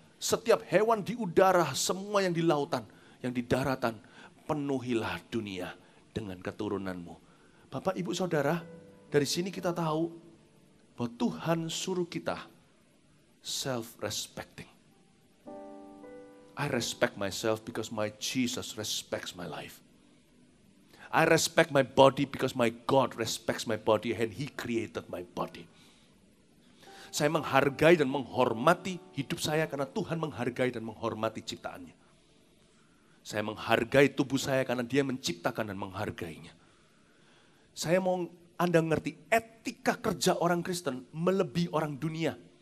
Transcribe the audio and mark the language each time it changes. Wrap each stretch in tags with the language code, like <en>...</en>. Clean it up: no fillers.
<id>Setiap hewan di udara, semua yang di lautan, yang di daratan, penuhilah dunia dengan keturunanmu. Bapak, ibu, saudara, dari sini kita tahu bahwa Tuhan suruh kita self-respecting.</id> <en>I respect myself because my Jesus respects my life. I respect my body because my God respects my body and He created my body.</en> <id>Saya menghargai dan menghormati hidup saya karena Tuhan menghargai dan menghormati ciptaannya. Saya menghargai tubuh saya karena Dia menciptakan dan menghargainya. Saya mau Anda ngerti, etika kerja orang Kristen melebihi orang dunia.</id>